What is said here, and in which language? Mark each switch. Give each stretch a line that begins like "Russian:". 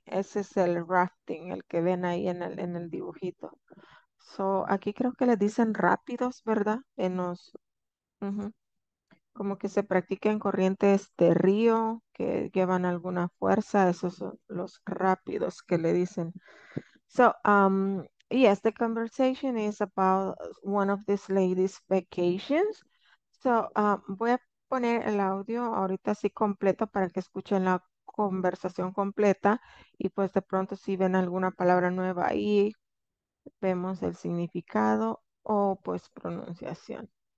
Spanish: Ese es el rafting, el que ven ahí en el dibujito. So, aquí creo que le dicen rápidos, ¿verdad? En los, como que se practica en corrientes de río, que llevan alguna fuerza. Esos son los rápidos que le dicen.
English: So, yes, the conversation is about one of these ladies' vacations.
Spanish: So, voy a poner el audio ahorita así completo para que escuchen la conversación completa y pues de pronto si ven alguna palabra nueva ahí, vemos el significado o pues pronunciación.